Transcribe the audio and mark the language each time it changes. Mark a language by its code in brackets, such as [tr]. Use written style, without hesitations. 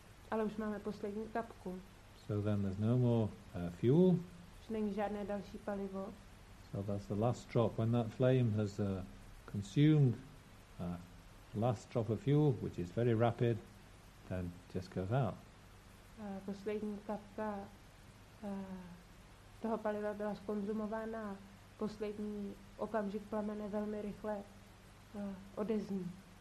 [cs] Ale už máme poslední kapku. [en] So then there's no more fuel. [cs] Už není žádné další palivo. [en] So that's the last drop. When that flame has consumed the last drop of fuel, which is very rapid, then just goes out. [cs] Poslední kapka toho paliva byla skonzumována. Poslední okamžik plamene velmi rychle odezní.